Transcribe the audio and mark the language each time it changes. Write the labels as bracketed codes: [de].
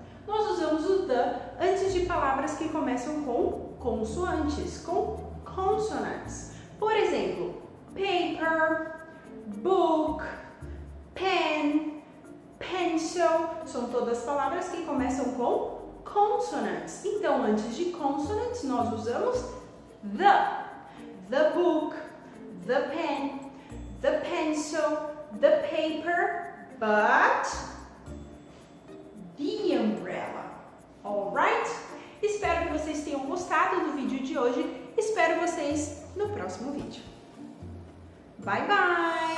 [pt] Nós usamos o the antes de palavras que começam com consoantes, com consonantes. Por exemplo, [en] paper, book, pen, pencil, [pt] são todas palavras que começam com consonantes. Então, antes de consonantes, nós usamos the. [en] The book, the pen, the pencil, the paper, but the umbrella. Alright? [pt] Espero que vocês tenham gostado do vídeo de hoje. Espero vocês no próximo vídeo. [en] Bye, bye!